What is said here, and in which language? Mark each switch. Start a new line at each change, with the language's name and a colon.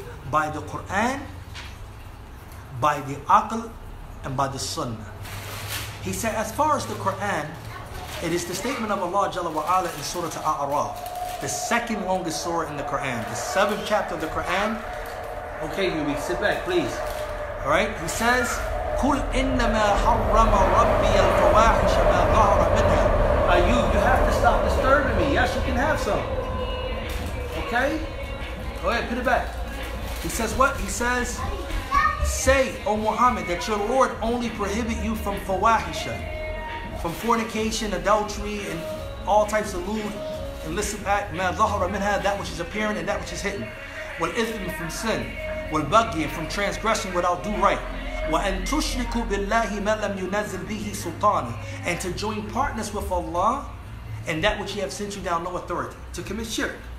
English: By the Quran, by the Aql, and by the Sunnah. He said, as far as the Quran, it is the statement of Allah Jalla wa'ala in Surah Al-A'raf, the second longest surah in the Quran, the seventh chapter of the Quran. Okay, Yubi, sit back, please. All right, he says,
Arabic: قُلْ إِنَّمَا حَرَّمَ رَبِّيَ الْفَوَاحِشَ مَا ظَهَرَ مِنْهَا.
English: Ayub, you have to stop disturbing me. Yes, you can have some. Okay? Go ahead, put it back. He says what? He says, say, O Muhammad, that your Lord only prohibit you from fawahisha, from fornication, adultery, and all types of lewd, and listen back,
Arabic: ma zahara minha,
English: that which is apparent and that which is hidden,
Arabic: wal ithmi,
English: from sin,
Arabic: wal baghi,
English: from transgression without due right,
Arabic: wa an tushriku billahi ma lam yunazzil bihi sultana,
English: and to join partners with Allah and that which He have sent you down no authority, to commit shirk.